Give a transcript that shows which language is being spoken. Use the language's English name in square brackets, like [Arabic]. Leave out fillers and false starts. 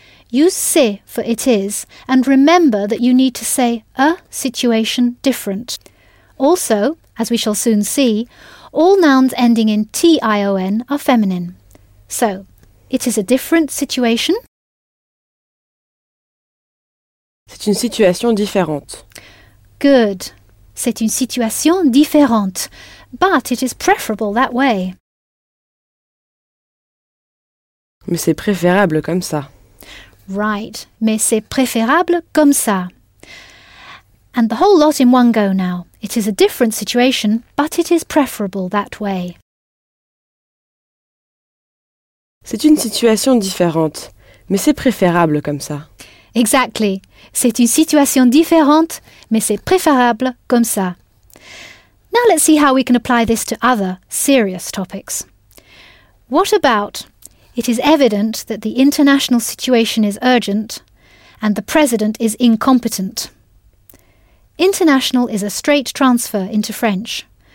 [English] Use se for it is, and remember that you need to say a situation different. Also, as we shall soon see, all nouns ending in T-I-O-N are feminine. So, it is a different situation. [French] C'est une situation différente. [English] Good. [French] C'est une situation différente. [English] But it is preferable that way. [French] Mais c'est préférable comme ça. Right, mais c'est préférable comme ça. [English] And the whole lot in one go now. It is a different situation, but it is preferable that way. [French] C'est une situation différente, mais c'est préférable comme ça. [English] Exactly. [French] C'est une situation différente, mais c'est préférable comme ça. [English] Now let's see how we can apply this to other serious topics. What about... it is evident that the international situation is urgent and the president is incompetent. International is a straight transfer into French.